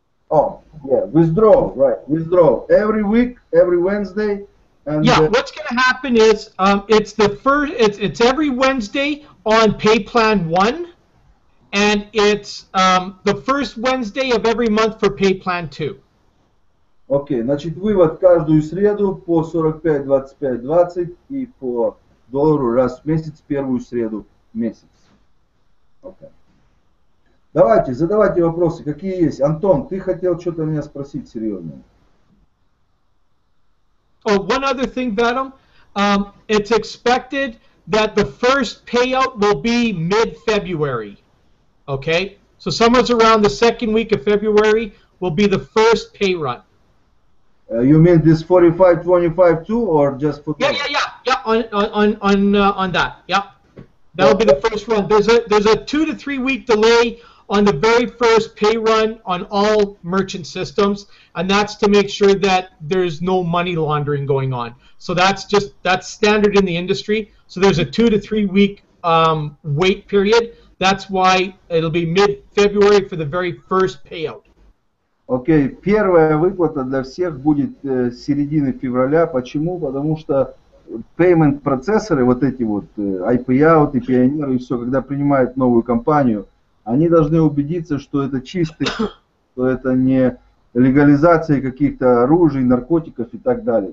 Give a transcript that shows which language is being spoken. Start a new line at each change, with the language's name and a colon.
English: Oh, yeah. Withdrawal, right. Withdrawal. Every week, every Wednesday. And yeah, what's going to happen is it's the first. It's every Wednesday on pay plan one, and it's the first Wednesday of every month for pay plan two.
Russian: Окей, значит, вывод каждую среду по 45, 25, 20 и по доллару раз в месяц, первую среду в месяц. Окей. Давайте, задавайте вопросы, какие есть. Антон, ты хотел что-то меня спросить серьезное.
English: Oh, one other thing, Vadim. It's expected that the first payout will be mid-February. Okay? So somewhere around the second week of February will be the first pay run. You mean this 45-25 too, or just for? Yeah. On that, yeah. That'll be the first run. There's a 2 to 3 week delay on the very first pay run on all merchant systems, and that's to make sure that there's no money laundering going on. So that's standard in the industry. So there's a 2 to 3 week wait period. That's why it'll be mid-February for the very first payout.
Russian: Окей, первая выплата для всех будет середины февраля. Почему? Потому что payment процессоры, вот эти вот IPout и Pioneer и все, когда принимают новую компанию, они должны убедиться, что это чистый, что это не легализация каких-то оружий, наркотиков и так далее.